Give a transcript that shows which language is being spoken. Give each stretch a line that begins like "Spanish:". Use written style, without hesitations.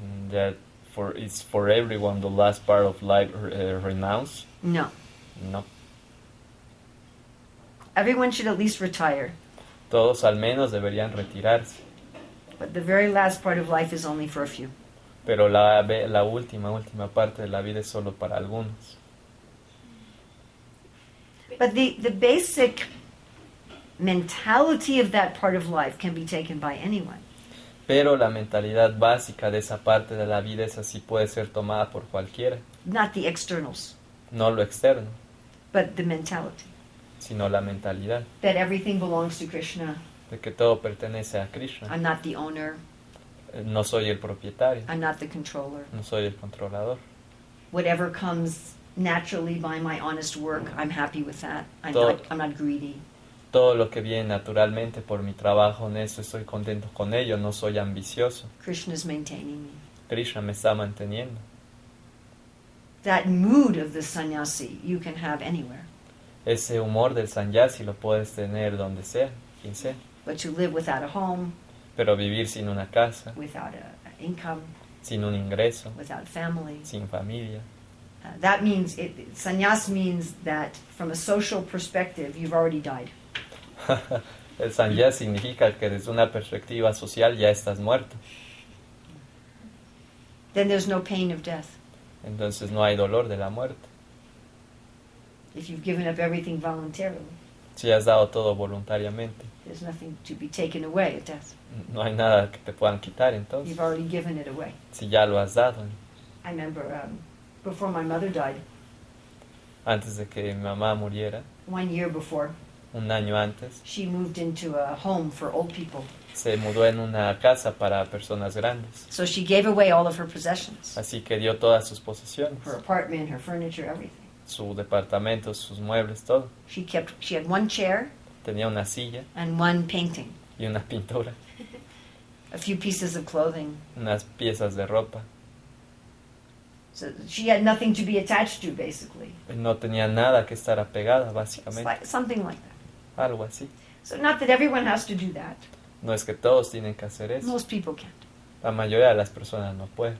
English: That for it's for everyone the last part of life renounce? No.
Spanish: No.
English: Everyone should at least retire.
Spanish: Todos al menos deberían retirarse.
English: But the very last part of life is only for a few.
Spanish: Pero la última parte de la vida es solo para algunos.
English: But the basic mentality of that part of life can be taken by anyone.
Spanish: Pero la mentalidad básica de esa parte de la vida es así puede ser tomada por cualquiera.
English: Not the externals.
Spanish: No lo externo.
English: But the mentality.
Spanish: Sino la mentalidad.
English: That everything belongs to Krishna.
Spanish: De que todo pertenece a Krishna.
English: I'm not the owner.
Spanish: No soy el propietario.
English: I'm not the controller.
Spanish: No soy el controlador.
English: Whatever comes naturally by my honest work, I'm happy with that. I'm not greedy.
Spanish: Todo lo que viene naturalmente por mi trabajo honesto, estoy contento con ello, no soy ambicioso.
English: Krishna is maintaining me.
Spanish: Krishna me está manteniendo.
English: That mood of the sannyasi you can have anywhere.
Spanish: Ese humor del sannyasi lo puedes tener donde sea, quien sea.
English: But you live without a home.
Spanish: Pero vivir sin una casa.
English: Without an income.
Spanish: Sin un ingreso.
English: Without family.
Spanish: Sin familia.
English: That means, sannyas means that from a social perspective, you've already died.
Spanish: El sannyas significa que desde una perspectiva social ya estás muerto.
English: Then there's no pain of death.
Spanish: Entonces no hay dolor de la muerte.
English: If you've given up everything voluntarily.
Spanish: Si has dado todo voluntariamente.
English: There's nothing to be taken away at death.
Spanish: No hay nada que te puedan quitar entonces.
English: You've already given it away.
Spanish: Si ya lo has dado.
English: I remember before my mother died.
Spanish: Antes de que mi mamá muriera.
English: One year before.
Spanish: Un año antes.
English: She moved into a home for old people.
Spanish: Se mudó en una casa para personas grandes.
English: So she gave away all of her possessions.
Spanish: Así que dio todas sus posesiones.
English: Her apartment, her furniture, everything.
Spanish: Su departamento, sus muebles, todo.
English: She had one chair.
Spanish: Tenía una silla.
English: And one painting.
Spanish: Y una pintura.
English: A few pieces of clothing.
Spanish: Unas piezas de ropa.
English: So she had nothing to be attached to, basically.
Spanish: No tenía nada que estar apegada, básicamente.
English: Like something like that.
Spanish: Algo así.
English: So not that everyone has to do that.
Spanish: No es que todos tienen que hacer eso.
English: Most people can't.
Spanish: La mayoría de las personas no pueden.